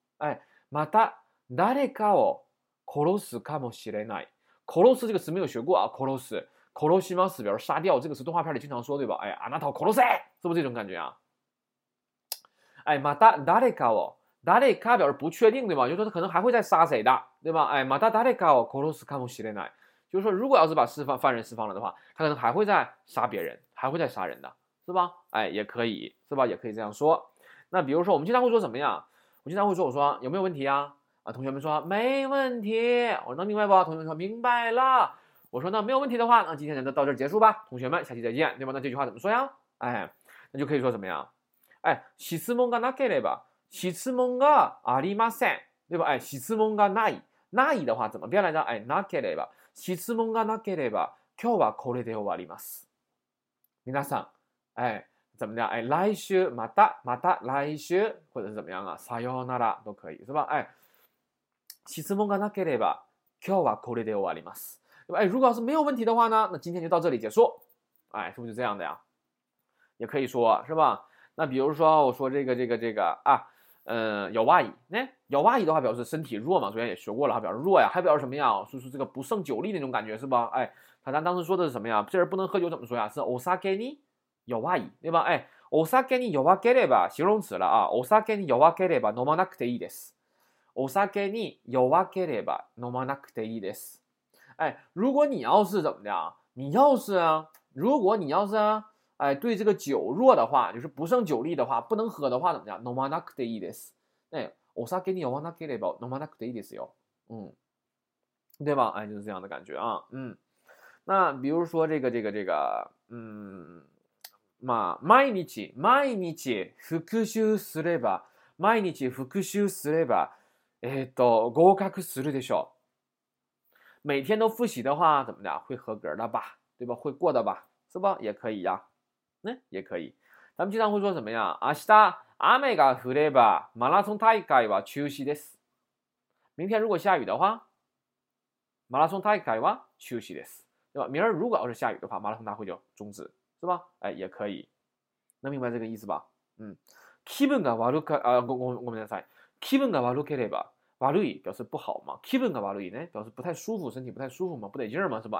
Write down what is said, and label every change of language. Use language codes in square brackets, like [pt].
[ja] 哎，また誰かを殺すかもしれない。 [zh] 殺す这个词没有学过啊。殺す、殺します，比如杀掉这个词，动画片里经常说，对吧？哎， [ja] あなたを殺せ， [zh] 是不是这种感觉啊？哎， [ja] また誰かを、 [zh] 誰か表示不确定，对吧？就是说他可能还会再杀谁的，对吧？ [ja] 哎，また誰かを殺すかもしれない。 [zh] 就是说，如果要是把犯人释放了的话，他可能还会再杀别人，还会再杀人的，是吧？哎，也可以，是吧？也可以这样说。那比如说，我们经常会说什么呀？我经常会说，我说有没有问题啊？啊，同学们说没问题，我能明白不？同学们说明白了，我说那没有问题的话，那今天咱就到这儿结束吧，同学们，下期再见，对吧？那这句话怎么说呀？哎，那就可以说什么呀？ [ja] 哎，質問がなければ質問がありません，对吧？哎，質問がない、 [zh] ないで话怎么变来着？ [ja] 哎，なければ、質問がなければ今日はこれで終わります。皆さん、 [zh] 哎，怎么的？哎， [ja] 来週、また、また、来週， [zh] 或者是怎么样啊？ [ja] さようなら [zh] 都可以，是吧？ [ja] 哎，質問がなければ今日はこれで終わります。 [zh] 哎，如果要是没有问题的话呢，那今天就到这里结束。哎，是不是就这样的呀？也可以说是吧？那比如说我说这个啊。有哇伊，那有哇伊的话表示身体弱嘛，昨天也学过了，表示弱呀，还表示什么呀？说是这个不胜酒力那种感觉是吧？哎，他当时说的是什么呀？这人不能喝酒怎么说呀？是 [ja] お酒に弱い， [zh] 对吧？ [ja] 哎，お酒に弱ければ、形容词了啊，お酒に弱ければ飲まなくていいです。お酒に弱ければ飲まなくていいです。 [zh] 哎，如果你要是怎么的啊？你要是啊，如果你要是啊。哎，对这个酒弱的话，就是不胜酒力的话，不能喝的话，怎么讲？ [ja] 飲まなくていいです。哎，お酒に酔わなければ飲まなくていいですよ。对吧？哎， [zh] 就是这样的感觉啊。那比如说 [ja] まあ、毎日復習すれば、毎日復習すれば、合格するでしょう。 [zh] 每天都复习的话，怎么讲？会合格的吧？对吧？会过的吧？是吧？也可以呀。也可以。咱们经常会说什么呀？ [ja] 明日雨が降ればマラソン大会は中止です。 [zh] 明天如果下雨的话， [ja] マラソン大会は中止です， [zh] 对吧？明儿如果要是下雨的话，马拉松大会就终止，是吧？哎，也可以。能明白这个意思吧？ [ja] 気分が悪か、あ、ご、ご、ごめんなさい。気分が悪ければ、悪い表示不好嘛。気分が悪いね、 [zh] 表示不太舒服，身体不太舒服嘛，不得劲嘛，是吧？